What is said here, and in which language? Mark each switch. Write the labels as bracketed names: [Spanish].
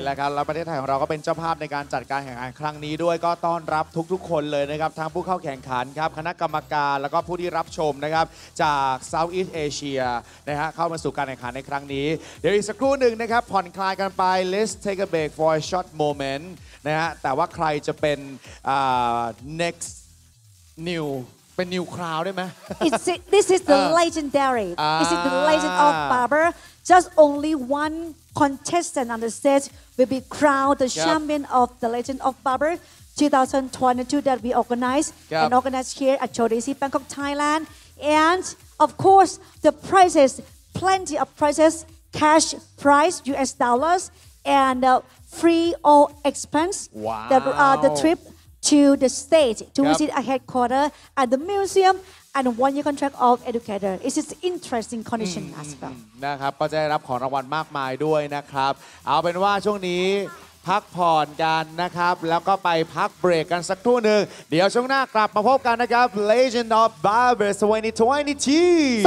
[Thai] ใช่แล้วครับแล้วประเทศไทยของเราก็เป็นเจ้าภาพในการจัดการแข่งขันครั้งนี้ด้วยก็ต้อนรับทุกๆคนเลยนะครับทั้งผู้เข้าแข่งขันครับคณะกรรมการแล้วก็ผู้ที่รับชมนะครับจาก Southeast Asia นะฮะเข้ามาสู่การแข่งขันในครั้งนี้เดี๋ยวอีกสักครู่นึงนะครับผ่อนคลายกันไป [English] Let's take a break for a short moment [Thai] นะฮะแต่ว่าใครจะเป็น next new เป็น new crowd ได้ไหม [English] is it, this is the legendary is it the legend of barber just only one contestant on the stage will be crowned the champion of the legend of barber 2022 that we organize and organize here at Chow Tai Sik Bangkok Thailand and of course the prizes plenty of prizes cash prize US dollars andfree or expense the trip to the state to visit a headquarter at the museum and one year contract of educator is it interesting condition as well [Thai] นะครับก็จะได้รับของรางวัลมากมายด้วยนะครับเอาเป็นว่าช่วงนี้พักผ่อนกันนะครับแล้วก็ไปพักเบรกกันสักครู่นึงเดี๋ยวช่วงหน้ากลับมาพบกันนะครับ Legend of Barber 2022